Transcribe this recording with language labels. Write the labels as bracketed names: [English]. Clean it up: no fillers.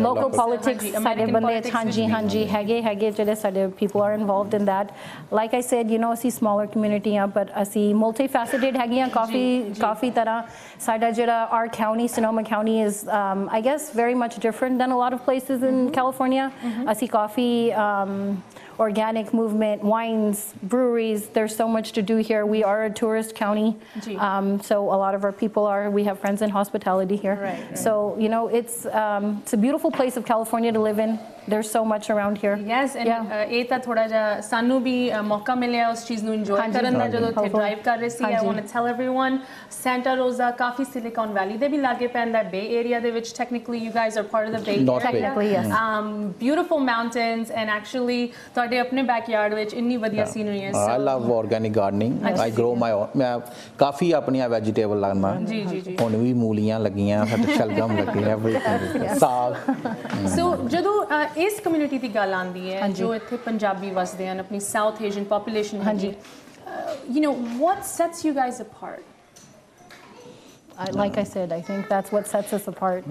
[Punjabi] Local politics ਸਾਡੇ ਬੰਦੇ, ਹਾਂਜੀ ਹਾਂਜੀ ਹੈਗੇ ਜਿਹੜੇ ਸਾਡੇ [English] People are involved in that. Like I said, you know, [Punjabi] ਅਸੀਂ ਸਮਾਲਰ ਕਮਿਊਨਿਟੀ ਹਾਂ, ਬਟ ਅਸੀਂ ਮਲਟੀ ਫੈਸਿਟਿਡ ਹੈਗੇ ਹਾਂ ਕਾਫੀ ਤਰ੍ਹਾਂ। ਸਾਡਾ ਜਿਹੜਾ [English] Our county, Sonoma county, is I guess very much different than a lot of places in California. [Punjabi] ਅਸੀਂ ਕਾਫੀ [English] organic movement, wines, breweries, there's so much to do here. We are a tourist county, so a lot of our people are, we have friends in hospitality here. Right. So, you know, it's a beautiful place of California to live in. There's so much around here. Yes, and [Punjabi] ਇਹ ਤਾਂ ਥੋੜ੍ਹਾ ਜਿਹਾ ਸਾਨੂੰ ਵੀ ਮੌਕਾ ਮਿਲਿਆ ਉਸ ਚੀਜ਼ ਨੂੰ ਇੰਜੋਏ ਕਰਨ ਦਾ ਜਦੋਂ ਉੱਥੇ ਡਰਾਈਵ ਕਰ ਰਹੇ ਸੀ। [English] I want to tell everyone, [Punjabi] Santa ਰੋਜ਼ਾ ਕਾਫੀ ਸਿਲੀਕਨ ਵੈਲੀ ਦੇ ਵੀ ਲਾਗੇ ਪੈਂਦਾ ਹੈ, ਬੇ ਏਰੀਆ ਦੇ ਵਿੱਚ। [English] technically you guys are part of the bay area, beautiful mountains, and actually [Punjabi] ਤੁਹਾਡੇ ਆਪਣੇ ਬੈਕਯਾਰਡ ਵਿੱਚ ਇੰਨੀ ਵਧੀਆ ਸੀਨਰੀ ਹੈ [English] so I love organic gardening I grow my own [Punjabi] ਮੈਂ ਕਾਫੀ ਆਪਣੀਆਂ ਵੈਜੀਟੇਬਲ ਲਾਉਂਦਾ ਜੀ ਜੀ ਜੀ ਹੁਣ ਵੀ ਮੂਲੀਆਂ ਲੱਗੀਆਂ ਸਾਡੇ ਸ਼ਲਗਮ ਲੱਗੇ ਆ ਸਾਗ ਸੋ ਜਦੋਂ ਇਸ ਕਮਿਊਨਿਟੀ ਦੀ ਗੱਲ ਆਉਂਦੀ ਹੈ ਜੋ ਇੱਥੇ ਪੰਜਾਬੀ ਵਸਦੇ ਹਨ ਆਪਣੀ ਸਾਊਥ ਏਸ਼ੀਅਨ ਪੋਪੂਲੇਸ਼ਨ ਹਾਂਜੀ [English] You know what sets you guys apart like I said, I think that's what sets us apart.